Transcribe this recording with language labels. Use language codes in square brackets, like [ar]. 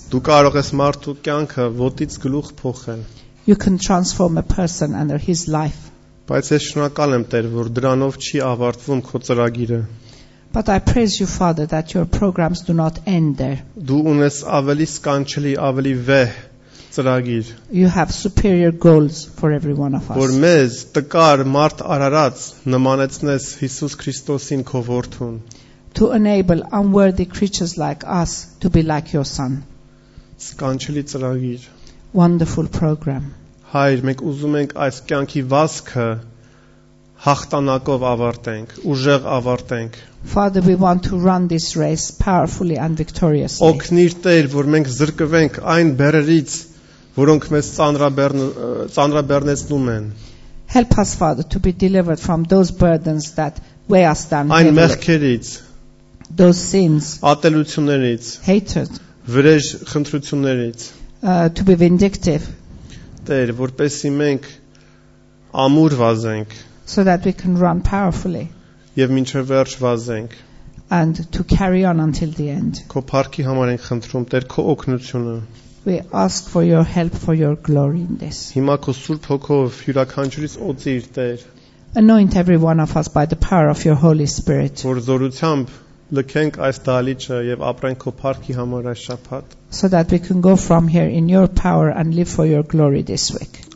[hy] Դու կարող ես մարդու կյանքը ոտից գլուխ փոխել. [en] You can transform a person under his life. [hy] Բայց ես շնորհակալ եմ Տեր, որ դրանով չի ավարտվում քո ծրագիրը. [en] But I praise you, Father, that your programs do not end there. [hy] Դու ունես ավելի սքանչելի, ավելի վեհ ծրագիր. [en] You have superior goals for every one of us. [hy] Որ մեզ տկար մարդ արարած նմանեցնես Հիսուս Քրիստոսին քո որդուն. [en] To enable unworthy creatures like us to be like your Son. [hy] Սքանչելի ծրագիր. [en] Wonderful program. [hy] Հայր, մենք ուզում ենք այս կյանքի վազքը հաղթանակով ավարտենք, ուժեղ ավարտենք. [en] Father, we want to run this race powerfully and victoriously. [hy] Օգնիր Տեր, որ մենք զրկվենք այն բեռերից, որոնք մեզ ծանրաբեռնեցնում են. [en] Help us, Father, to be delivered from those burdens that weigh us down. [hy] Այն մեղքերից, [en] those sins, [hy] ատելություններից, [en] hatred, [hy] վրեժ խնդրություններից. [en] To be vindictive. [hy] Տեր, որպեսզի մենք ամուր վազենք. [en] So that we can run powerfully. [hy] Եվ մինչև վերջ վազենք. [en] And to carry on until the end. [hy] Քո փառքի համար ենք խնդրում, Տեր, քո օգնությունը. [en] We ask for your help, for your glory in this. [hy] Հիմա քո Սուրբ Հոգով յուրաքանչյուրից օծիր, Տեր. [en] Anoint every one of us by the power of your Holy Spirit. [hy] Որ զորությամբ լքենք այս դահլիճը եւ ապրենք քո փառքի համար այս շաբաթ. [en] So that we can go from here in your power and live for your glory this week.